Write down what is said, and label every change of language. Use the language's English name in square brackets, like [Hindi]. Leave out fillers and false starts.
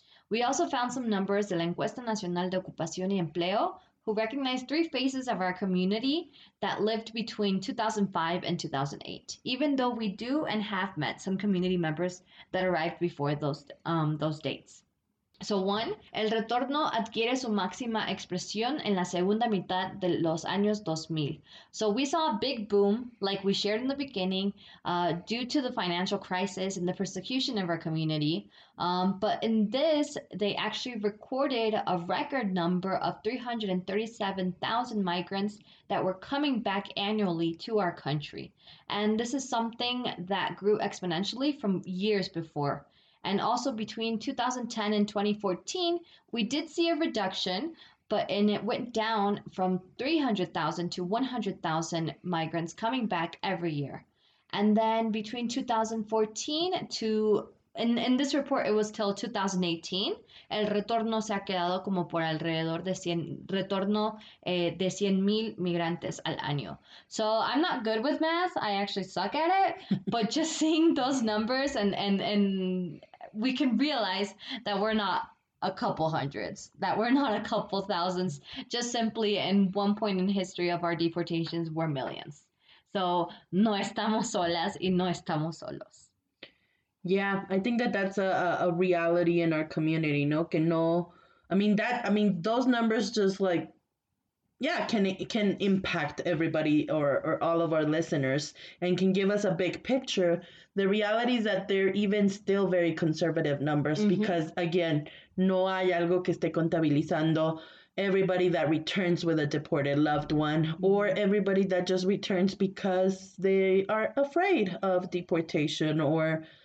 [English] We also found some numbers de la Encuesta Nacional de Ocupación y Empleo, who recognized 3 phases of our community that lived between 2005 and 2008, even though we do and have met some community members that arrived before those dates. [Spanish] So 1, el retorno adquiere su máxima expresión en la segunda mitad de los años 2000. [English] So we saw a big boom, like we shared in the beginning, due to the financial crisis and the persecution of our community. But in this, they actually recorded a record number of 337,000 migrants that were coming back annually to our country. And this is something that grew exponentially from years before. And also between 2010 and 2014, we did see a reduction, and it went down from 300,000 to 100,000 migrants coming back every year. And then between 2014 to In this report, it was till 2018. [Spanish] El retorno se ha quedado como por alrededor de 100, retorno de 100,000 migrantes al año. [English] So I'm not good with math. I actually suck at it. But just seeing those numbers and we can realize that we're not a couple hundreds, that we're not a couple thousands. Just simply in one point in the history of our deportations, we're millions. [Spanish] So no estamos solas y no estamos solos. [English] Yeah, I think that that's a reality in our community, no? Que no, I mean those numbers just like, yeah, can impact everybody or all of our listeners and can give us a big picture. The reality is that they're even still very conservative numbers because again, [Spanish] no hay algo que esté contabilizando [English] everybody that returns with a deported loved one or everybody that just returns because they are afraid of deportation or